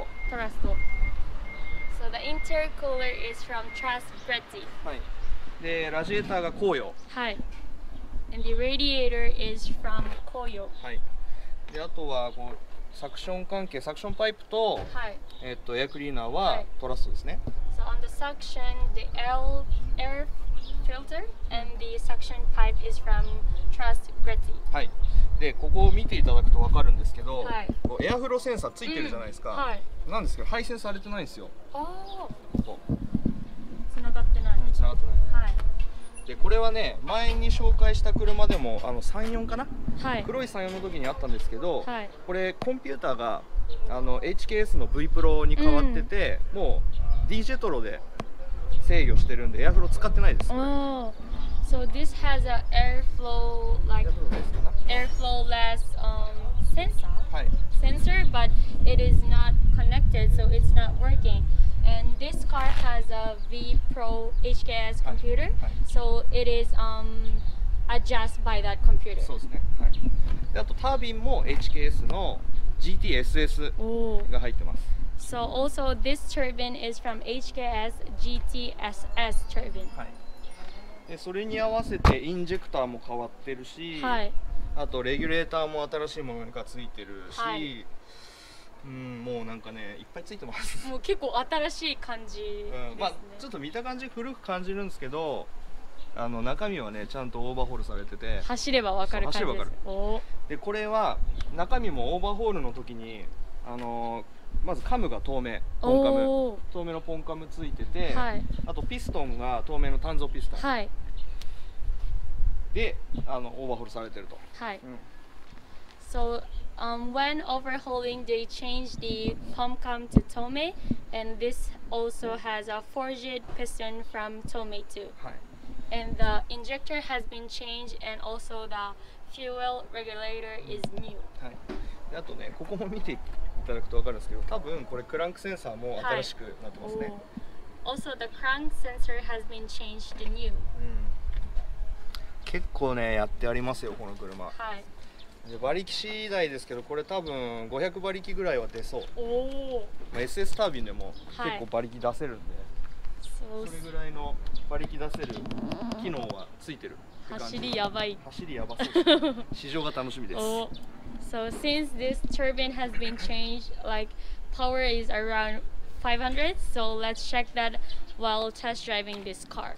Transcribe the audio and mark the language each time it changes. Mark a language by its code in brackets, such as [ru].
[ja] はい、トラスト。 [en] So the intercooler is from Trust Bretti. [ja] はい。で、ラジエーターが紅葉。はい。 [en] And the radiator is from 紅葉。 [ja] はい。で、あとはこう。サクション関係、サクションパイプと、はい、エアクリーナーはトラストですね。 [en] So on the suction, the air filter and the suction pipe is from Trust Gretti. [ja] はい。で、ここを見ていただくと分かるんですけど、はい、こうエアフローセンサーついてるじゃないですか。うん、はい、なんですけど、配線されてないんですよ。ああ。つながってない。うん、つながってない。はい。で、これはね、前に紹介した車でも、あの34かな、はい、黒い34の時にあったんですけど、はい、これコンピューターがあの HKS の V プロに変わってて、うん、もう DJ トロで制御してるんで、エアフロー使ってないです。 [en] So this has an airflow, like, airflowless sensor? [ja] はい。 [en] Sensor, but it is not connected, so it's not working. And this car has a V Pro HKS computer. So it is adjusted by that computer. [ja] そうですね。はい。で、あとタービンも HKS の GTSS が入ってます。 [en] So also this turbine is from HKS GTSS turbine. [ja] はい。で、それに合わせてインジェクターも変わってるし、はい。あとレギュレーターも新しいものがついてるし、はい。うん、もうなんかね、いっぱいついてます。もう結構新しい感じですね。うん、まあ、ちょっと見た感じ古く感じるんですけど、あの中身はね、ちゃんとオーバーホールされてて、走ればわかる感じです。走ればわかる。で、これは中身もオーバーホールの時に、まずカムが透明、ポンカム、透明のポンカムついてて、はい、あとピストンが透明の単造ピストン、はい、で、あのオーバーホールされてると。はい。うん、 [en] so when overhauling, they change the pump cam to Tome, and this also has a forged piston from Tome too. [ja] はい。 [en] And the injector has been changed, and also the fuel regulator is new. [ja] はい。あとね、ここも見ていただくと分かるんですけど、多分これクランクセンサーも新しくなってますね。はい。 [en] Also, the crank sensor has been changed new. [ja] うん。結構ね、やってありますよ、この車。はい。馬力次第ですけど、これ多分500馬力ぐらいは出そう。おー、 SS タービンでも結構馬力出せるんで、はい、それぐらいの馬力出せる機能はついてるって感じ。走りやばい。走りやばそう。試乗が楽しみです。お、 [en] So since this turbine has been changed, like power is around 500, so let's check that while test driving this car.